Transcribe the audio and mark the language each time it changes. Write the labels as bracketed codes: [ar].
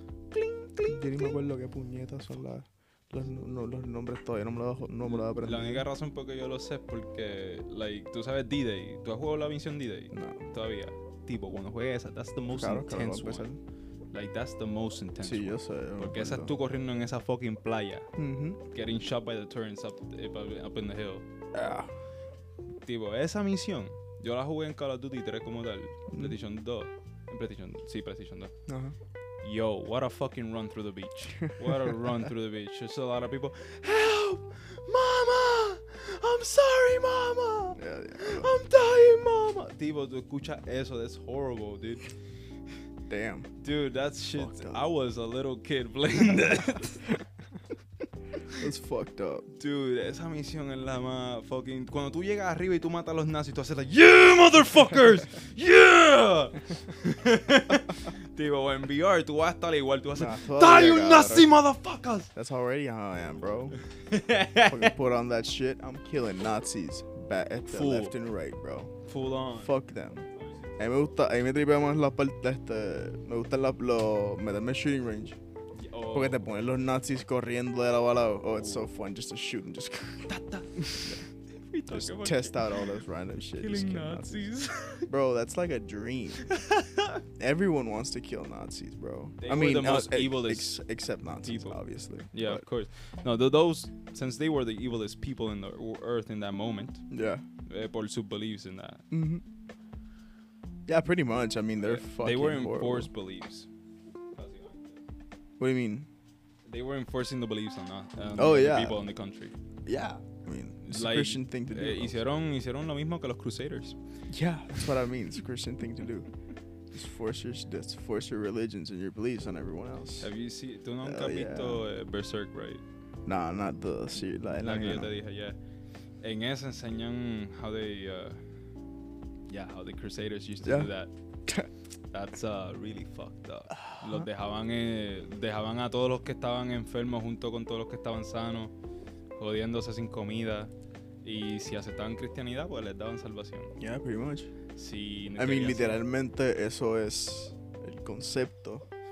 [es] ¡Cling, cling, cling! Yo ni me acuerdo qué puñetas son las... Los nombres todavía no me lo voy a aprender. La única razón por que yo lo sé es porque, like, tú sabes D-Day. ¿Tú has jugado la misión D-Day? No. Todavía. Tipo, cuando juegues esa, [en] that's the most intense one. Like, that's the most intense. [es] Sí, yo sé. Porque esa es tú corriendo en esa fucking playa. Mm-hmm. [en] Getting shot by the turrets up in the hill. Yeah. [es] Tipo, esa misión, yo la jugué en Call of Duty 3 como tal. PlayStation 2. En PlayStation, sí, PlayStation 2. Ajá. Uh-huh. [en] Yo, what a fucking run through the beach. What a run through the beach. There's a lot of people. Help! Mama! I'm sorry, mama! Yeah, yeah. I'm dying, mama! [es] Tipo, tú escuchas eso. [en] That's horrible, dude. Damn. Dude, that shit. I was a little kid playing that. That's fucked up. [es] Dude, esa misión es la más fucking... Cuando tú llegas arriba y tú matas a los nazis, tú haces [en] like, yeah, motherfuckers! [es] Yeah! Tipo, en VR, tú vas a estar igual, tú vas a hacer, [en] ¡die, you Nazi motherfuckers! That's already how I am, bro. Put on that shit, I'm killing Nazis. Full. Left and right, bro. Full on. Fuck them. [es] A mí me gusta, a mí me tripea más la parte, me gusta lo meterme en shooting range. Oh. Porque te ponen los nazis corriendo de lado a lado. [en] Oh, it's so fun just to shoot and just... just test out all those random shit. Killing Nazis. Bro, that's like a dream. Everyone wants to kill Nazis, bro. They I mean, the most except Nazis, people. Obviously. Yeah, but. Of course. No, those, since they were the evilest people in the earth in that moment. Yeah. [es] Por su [en] beliefs in that. Mm-hmm. Yeah, pretty much. I mean, they're fucking They were horrible. Enforced beliefs. What do you mean? They were enforcing the beliefs on that. Oh, yeah. The people in the country. Yeah. I mean, it's like, a Christian thing to do. [es] Hicieron lo mismo que los crusaders. [en] Yeah, that's what I mean. It's a Christian thing to do. Just force your religions and your beliefs on everyone else. Have you seen... [es] Tú nunca has visto Berserk, [en] right? Nah, not the... See, like, [es] yo te dije, yeah. En eso enseñan [en] how they... yeah, how the crusaders used to do that. That's really fucked up. Uh-huh. [es] Los dejaban a todos los que estaban enfermos junto con todos los que estaban sanos, jodiéndose sin comida. Y si aceptaban cristianidad, pues les daban salvación. [en] Yeah, pretty much. [es] Si [en] I mean, [es] literalmente, eso es el concepto.